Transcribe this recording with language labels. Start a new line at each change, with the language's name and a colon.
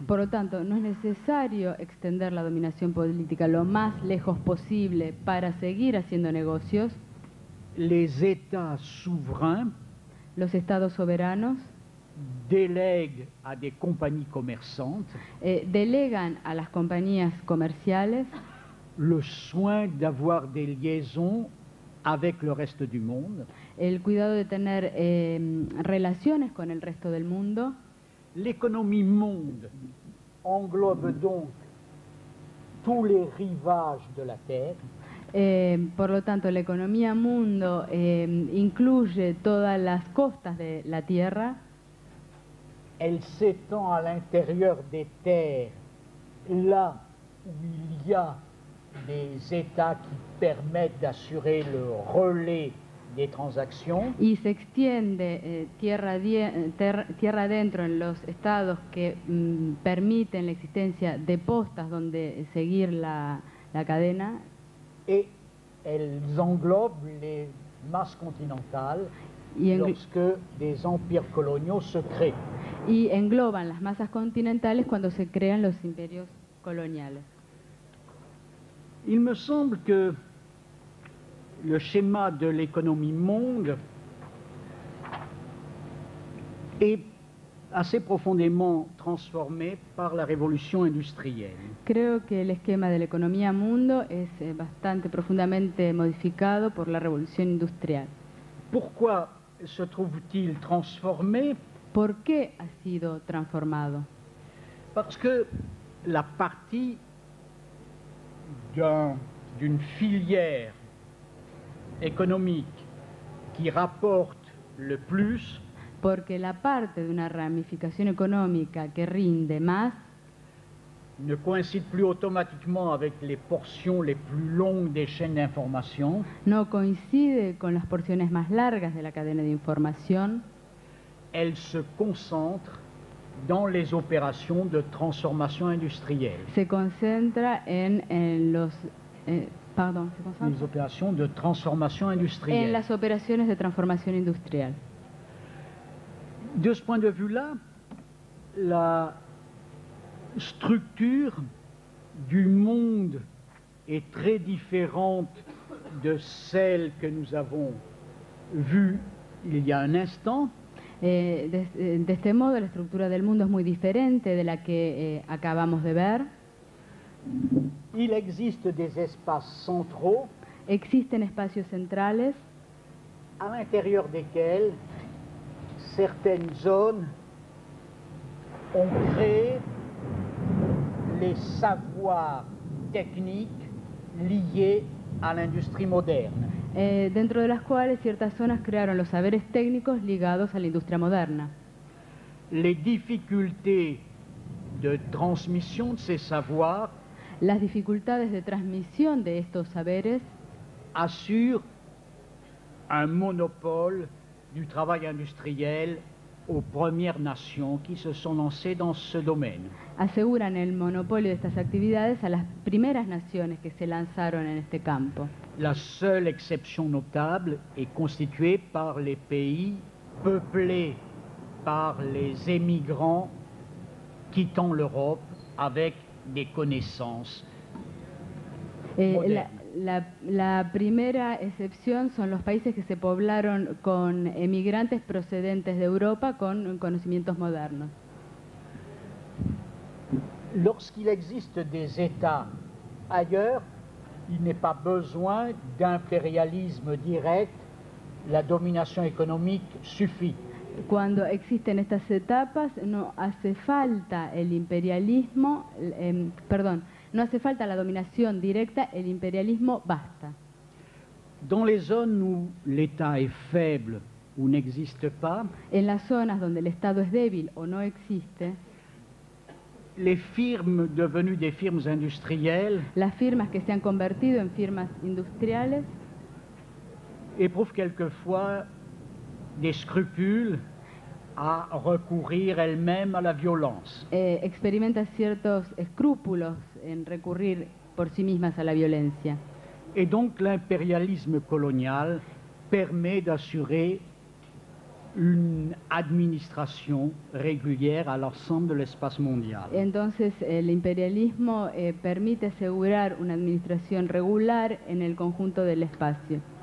Spanish: Por lo tanto, no es necesario extender la dominación política lo más lejos posible para seguir haciendo negocios.
French: Les États souverains,
Spanish: los estados soberanos,
French: délèguent à des compagnies commerçantes,
Spanish: delegan a las compañías comerciales
French: le soin d'avoir des liaisons avec le reste du monde.
Spanish: El cuidado de tener relaciones con el resto del mundo.
French: L'économie monde englobe donc tous les rivages de la terre.
Spanish: Por lo tanto, la economía mundo incluye todas las costas de la tierra.
French: Elle s'étend à l'intérieur des terres, là où il y a des États qui permettent d'assurer le relais des transactions.
Spanish: Y se extiende tierra adentro en los estados que permiten la existencia de postas donde seguir la cadena.
French: Et elles englobent les masses continentales lorsque des empires coloniaux se créent.
Spanish: Y engloban las masas continentales cuando se crean los imperios coloniales.
French: Il me semble que le schéma de l'économie monde est assez profondément transformé par la révolution industrielle.
Spanish: Creo que el esquema de la economía mundo es bastante profundamente modificado por la revolución industrial.
French: Pourquoi se trouve-t-il transformé?
Spanish: ¿Por qué ha sido transformado?
French: Parce que la partie d'une filière économique qui rapporte le plus,
Spanish: porque la parte de una ramificación económica que rinde más
French: ne coïncide plus automatiquement avec les portions les plus longues des chaînes d'information,
Spanish: no coincide con las porciones más largas de la cadena de información.
French: Elle se concentre dans les opérations de transformation industrielle.
Spanish: Se concentra en
French: les opérations de transformation industrielle.
Spanish: En las operaciones de transformación industrial.
French: De ce point de vue-là, la structure du monde est très différente de celle que nous avons vue il y a un instant.
Spanish: De este modo, la estructura del mundo es muy diferente de la que acabamos de ver.
French: Il existe des espaces centraux.
Spanish: Existen espacios centrales.
French: À l'intérieur desquels certaines zones ont créé les savoirs techniques liés à l'industrie moderne.
Spanish: Dentro de las cuales ciertas zonas crearon los saberes técnicos ligados a la industria moderna.
French: Les difficultés de transmission de ces savoirs.
Spanish: Las dificultades de transmisión de estos saberes
French: asurent un monopole du travail industriel aux premières nations qui se sont lancées dans ce domaine.
Spanish: Aseguran el monopolio de estas actividades a las primeras naciones que se lanzaron en este campo.
French: La seule exception notable est constituée par les pays peuplés par les émigrants quittant l'Europe avec des connaissances.
Spanish: La primera excepción son los países que se poblaron con emigrantes procedentes de Europa con conocimientos modernos.
French: Lorsqu'il existe des États ailleurs, il n'est pas besoin d'impérialisme direct, la domination économique suffit.
Spanish: Cuando existen estas etapas, no hace falta el imperialismo, perdón, no hace falta la dominación directa, el imperialismo basta.
French: Dans les zones où l'État est faible ou n'existe pas,
Spanish: en las zonas donde el Estado es débil o no existe,
French: les firmes devenues des firmes industrielles,
Spanish: las firmas que se han convertido en firmas industriales,
French: éprouvent quelquefois des scrupules à recourir elles-mêmes à la violence.
Spanish: Experimenta ciertos escrúpulos en recurrir por sí mismas a la violencia.
French: Et donc l'impérialisme colonial permet d'assurer une administration régulière à l'ensemble de l'espace mondial.
Spanish: Entonces el imperialismo permite asegurar una administración regular en el conjunto del espacio.